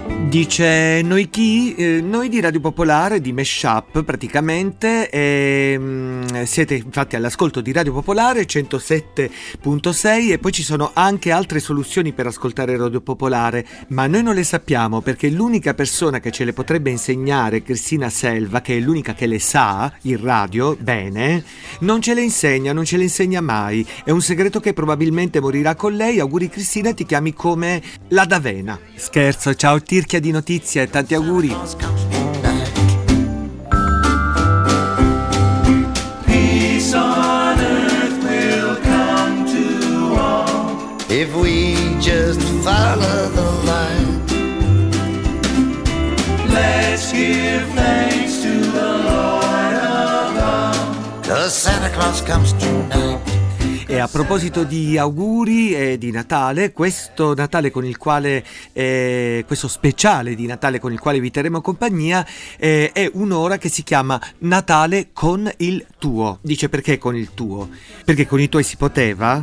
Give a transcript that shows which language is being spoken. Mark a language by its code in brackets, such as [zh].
[it] Dice noi chi? Noi di Radio Popolare, di Mashup praticamente, e siete infatti all'ascolto di Radio Popolare 107.6 e poi ci sono anche altre soluzioni per ascoltare Radio Popolare, ma noi non le sappiamo perché l'unica persona che ce le potrebbe insegnare, Cristina Selva, che è l'unica che le sa, il radio, bene, non ce le insegna, non ce le insegna mai. È un segreto che probabilmente morirà con lei. Auguri Cristina, ti chiami come la D'Avena. Scherzo, ciao Tirchia di notizie, tanti auguri. [en] Peace on earth will come to all if we just follow the light. Let's give thanks to the Lord above, 'cause Santa Claus comes tonight. [it] E a proposito di auguri e di Natale, questo Natale con il quale, questo speciale di Natale con il quale vi terremo compagnia, è un'ora che si chiama Natale con il tuo. Dice perché con il tuo? Perché con i tuoi si poteva?